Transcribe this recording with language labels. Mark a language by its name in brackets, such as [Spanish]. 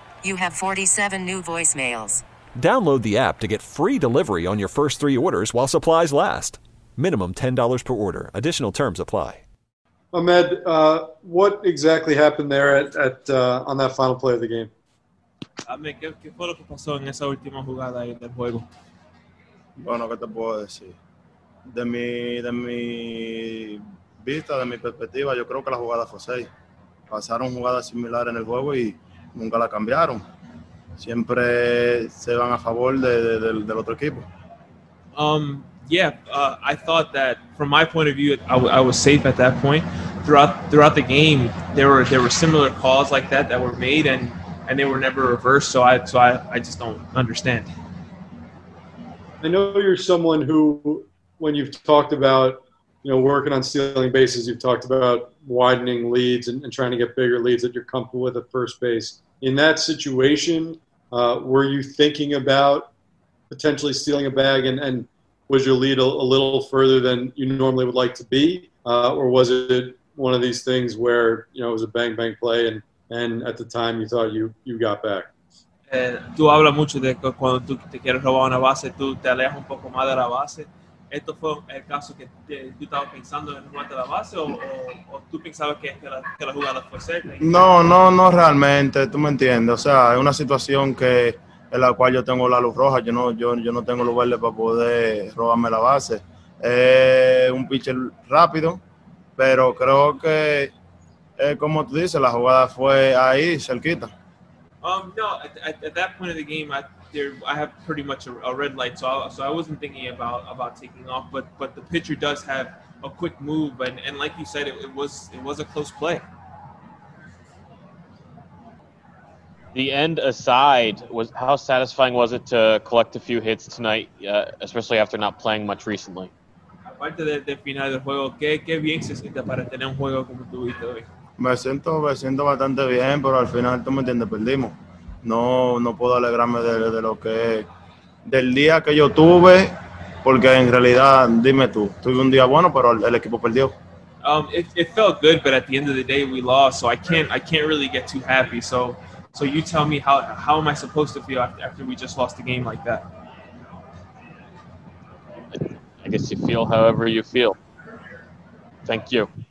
[English] You have 47 new voicemails. Download the app to get free delivery on your first three orders while supplies last. Minimum $10 per order. Additional terms apply. Ahmed, what exactly happened there on that final play of the game? [Spanish] ¿Qué fue lo que pasó en esa última jugada ahí del juego? Bueno, ¿qué te puedo decir? De mi vista, de mi perspectiva, yo creo que la jugada fue 6. Pasaron jugadas similares en el juego y nunca la cambiaron. Siempre se van a favor del otro equipo. [English] I thought that from my point of view, I was safe at that point. Throughout the game, there were similar calls like that were made and they were never reversed. So I just don't understand. I know you're someone who, when you've talked about, you know, working on stealing bases, you've talked about widening leads and trying to get bigger leads that you're comfortable with at first base. In that situation, were you thinking about potentially stealing a bag and was your lead a little further than you normally would like to be? Or was it one of these things where, you know, it was a bang bang play and at the time you thought you got back? [Spanish] Tú hablas mucho de que cuando tú te quieres robar una base, tú te alejas un poco más de la base. ¿Esto fue el caso que tú estabas pensando en robar la base o tú pensabas que la jugada fue cerca? No, realmente, tú me entiendes. O sea, es una situación que en la cual yo tengo la luz roja, yo no tengo luz verde para poder robarme la base. Un pitcher rápido, pero creo que, como tú dices, la jugada fue ahí, cerquita. [English] At that point of the game, I have pretty much a red light, so I wasn't thinking about taking off. But the pitcher does have a quick move, and like you said, it was a close play. The end aside, was how satisfying was it to collect a few hits tonight, especially after not playing much recently? [Spanish] Aparte del final del juego, ¿qué bien se siente para tener un juego como tú viste hoy? Me siento bastante bien, pero al final tú me entiendes, perdimos. No puedo alegrarme de lo que del día que yo tuve, porque en realidad, dime tú, tuve un día bueno, pero el equipo perdió. [English] It felt good, but at the end of the day we lost, so I can't really get too happy. So you tell me how am I supposed to feel after we just lost a game like that? I guess you feel however you feel. Thank you.